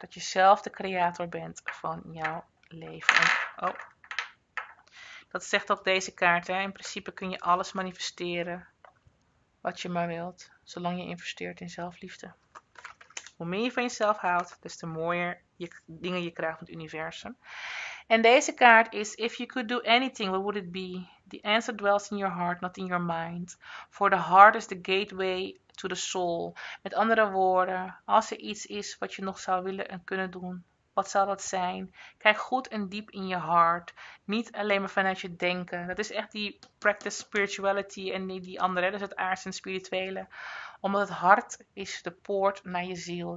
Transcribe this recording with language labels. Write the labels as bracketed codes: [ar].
[nl] Dat je zelf de creator bent van jouw leven. En, oh, dat zegt ook deze kaart, hè. In principe kun je alles manifesteren wat je maar wilt, zolang je investeert in zelfliefde. Hoe meer je van jezelf houdt, des te mooier je dingen je krijgt van het universum. En deze kaart is: [en] If you could do anything, what would it be? The answer dwells in your heart, not in your mind. For the heart is the gateway to the soul. [nl] Met andere woorden, als er iets is wat je nog zou willen en kunnen doen, wat zou dat zijn? Kijk goed en diep in je hart. Niet alleen maar vanuit je denken. Dat is echt die [en] practice spirituality [nl] en die andere. Dus het aardse en spirituele. Omdat het hart is de poort naar je ziel.